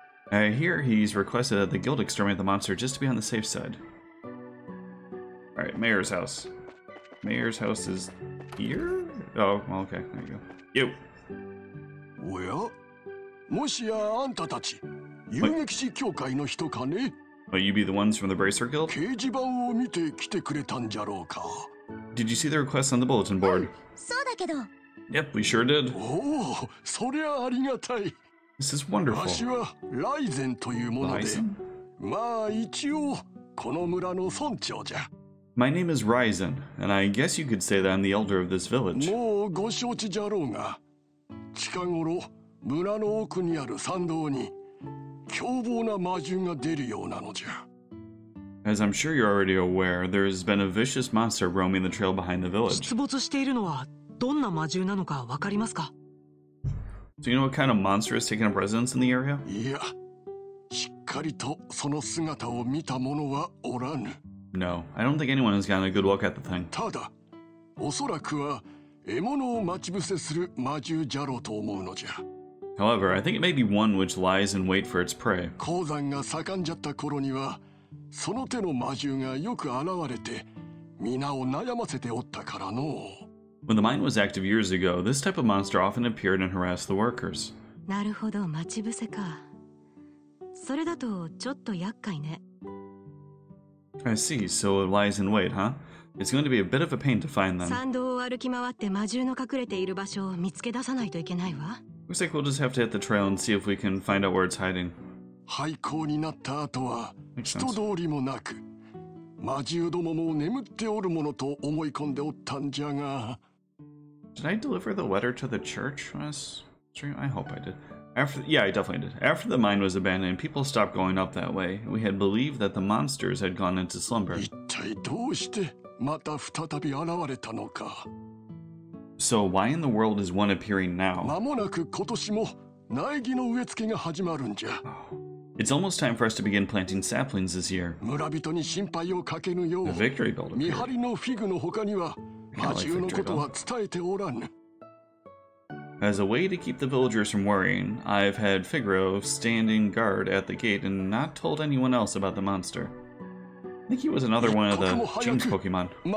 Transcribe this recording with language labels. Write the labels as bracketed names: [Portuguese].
[English] Here he's requested that the guild exterminate the monster just to be on the safe side. Alright, Mayor's house. Mayor's house is here? Oh, well, okay, there you go. You! [Japanese] おや、もしやあんたたち、遊撃士協会の人かね？ [English] Will you be the ones from the Bracer Guild? [Japanese] 掲示板を見て来てくれたんじゃろうか。 [English] Did you see the request on the bulletin board? [Japanese] そうだけど。 [English] Yep, we sure did. [Japanese] おお、そりゃありがたい。 [English] This is wonderful. [Japanese] わしはライゼンというもので、 [English] Ryzen? [Japanese] まあ一応この村の村長じゃ。 [English] My name is Ryzen, and I guess you could say that I'm the elder of this village. [Japanese] もうご承知じゃろうが、近頃村の奥にある山道に凶暴な魔獣が出るようなのじゃ。 [English] As I'm sure you're already aware, there's been a vicious monster roaming the trail behind the village. [Japanese] 出没しているのはどんな魔獣なのかわかりますか？ [English] Do you know what kind of monster is taking up residence in the area? [Japanese] いや、しっかりとその姿を見た者はおらぬ。 [English] No, I don't think anyone has gotten a good look at the thing. [Japanese] ただ、おそらくは獲物を待ち伏せする魔獣じゃろうと思うのじゃ。 [English] However, I think it may be one which lies in wait for its prey. [Japanese] 鉱山が盛んじゃった頃には、その手の魔獣がよく現れて、皆を悩ませておったからの。 [English] When the mine was active years ago, this type of monster often appeared and harassed the workers. [Japanese] なるほど、待ち伏せか。それだとちょっと厄介ね。 [English] I see, so it lies in wait, huh? It's going to be a bit of a pain to find them. [Japanese] 山道を歩き回って魔獣の隠れている場所を見つけ出さないといけないわ。 [English] Looks like we'll just have to hit the trail and see if we can find out where it's hiding. [Japanese] 廃校になった後は人通りもなく、魔獣どもも眠っておるものと思い込んでおったんじゃが。 [English] Did I deliver the letter to the church? I hope I did. Yeah, I definitely did. After the mine was abandoned, people stopped going up that way. We had believed that the monsters had gone into slumber. [Japanese] 一体どうしてまた再び現れたのか。 [English] So why in the world is one appearing now? [Japanese] 間もなく今年も苗木の植え付けが始まるんじゃ。 [English] It's almost time for us to begin planting saplings this year. [Japanese] 村人に心配をかけぬよう、 [English] The victory builder. [Japanese] 見張りのフィグの他には魔獣のことは伝えておらぬ。 [English] As a way to keep the villagers from worrying, I've had Figaro standing guard at the gate and not told anyone else about the monster. I think he was another one of the James Pokemon.